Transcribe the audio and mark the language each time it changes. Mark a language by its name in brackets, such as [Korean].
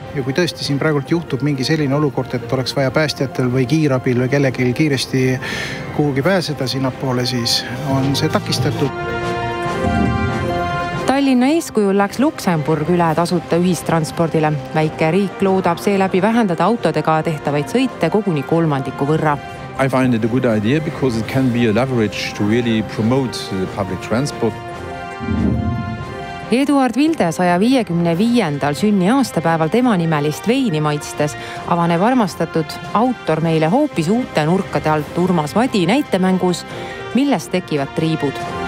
[Estonian] Ja kui tõesti siin praegult juhtub mingi selline olukord, et oleks vaja päästjatel või kiirabil või kellelgi kiiresti kuhugi pääseda sinnapoole, siis on see takistatud. Tallinna eeskujul läks Luksemburg üle tasuta ühistranspordile. Väike riik loodab see läbi vähendada autodega tehtavaid sõite koguni kolmandiku võrra. [English] I find it a good idea because it can be a leverage to really promote public transport. [Estonian] Eduard Vilde 155. sünniaastapäeval tema nimelist veini maitstes avaneb armastatud autor meile hoopis uute nurkade alt Urmas Vadi näitemängus, millest tekivad triibud.